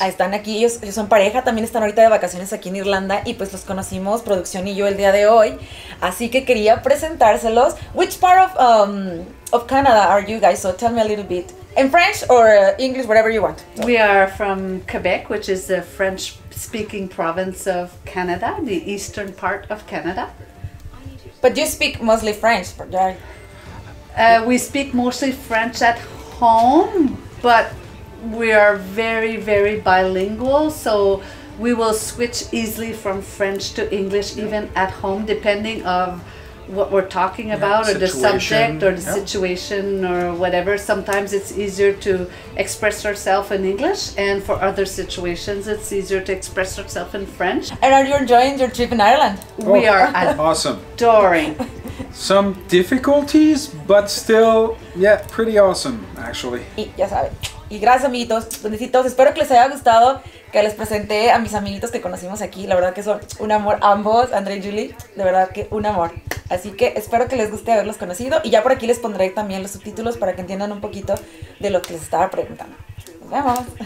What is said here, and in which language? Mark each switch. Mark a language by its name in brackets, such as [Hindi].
[Spanish] Ahí están aquí, ellos son pareja, también están ahorita de vacaciones aquí en Irlanda y pues los conocimos, producción y yo, el día de hoy. Así que quería presentárselos. [English] Which part of Canada are you guys? So tell me a little bit. In French or English, whatever you want. We are from Quebec, which is the French-speaking province of Canada, the eastern part of Canada. But you speak mostly French, right? We speak mostly French at home, but we are very, very bilingual, so we will switch easily from French to English even at home, depending on what we're talking about, Situation. Or the subject, or the situation, or whatever. Sometimes it's easier to express yourself in English, and for other situations, it's easier to express yourself in French. And are you enjoying your trip in Ireland? We are awesome. Adoring. Some difficulties, but still, yeah, pretty awesome, actually. [Spanish] Y ya sabe. Y gracias, amiguitos, bendecitos. Espero que les haya gustado, que les presenté a mis amiguitos que conocimos aquí. La verdad que son un amor ambos, André y Julie. De verdad que un amor. Así que espero que les guste haberlos conocido. Y ya por aquí les pondré también los subtítulos para que entiendan un poquito de lo que les estaba preguntando. ¡Nos vemos!